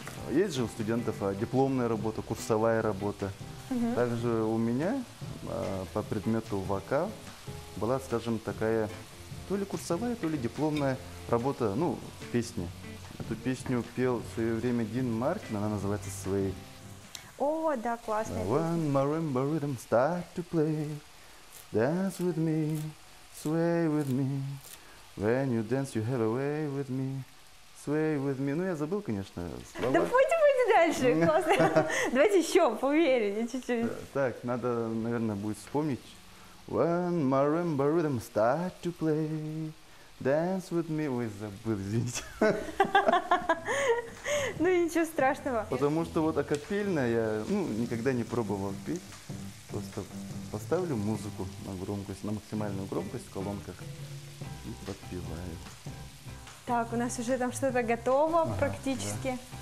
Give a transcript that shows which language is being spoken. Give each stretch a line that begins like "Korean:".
Russian: Есть же у студентов дипломная работа, курсовая работа. Также у меня по предмету вокал была, скажем, такая то ли курсовая, то ли дипломная работа, ну, песни. Эту песню пел в свое время Дин Мартин, она называется «Sway». О, да, классная песня.
English: When marimba rhythm start to play, dance with me, sway with me. When you dance, you have a way with me, sway with me.
Russian: Ну, я забыл, конечно, слова. Да пойдем дальше, классно. Давайте еще, поверьте чуть-чуть. Так, надо, наверное, будет вспомнить.
English: When marimba rhythm start to play, dance with me.
Russian: Ой, забыл, извините. Ну, ничего страшного. Потому что вот акапельная я, ну, никогда не пробовал петь. Просто поставлю музыку на громкость, на максимальную громкость в колонках и подпеваю. Так, у нас уже там что-то готово практически.